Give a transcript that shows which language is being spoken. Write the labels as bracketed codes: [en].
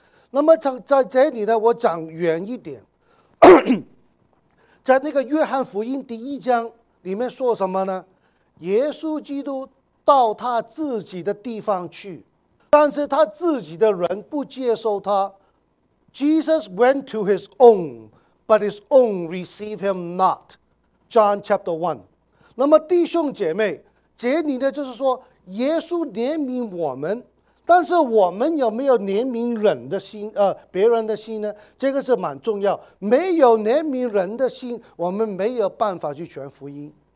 [zh] 那么在这里呢，我讲远一点，在那个约翰福音第一章里面说什么呢？耶稣基督到他自己的地方去，但是他自己的人不接受他。 [en] Jesus went to his own, but his own received him not. John chapter 1。 [zh] 那么弟兄姐妹，这里呢就是说耶稣怜悯我们，但是我们有没有怜悯人的心别人的心呢？这个是蛮重要。没有怜悯人的心，我们没有办法去传福音。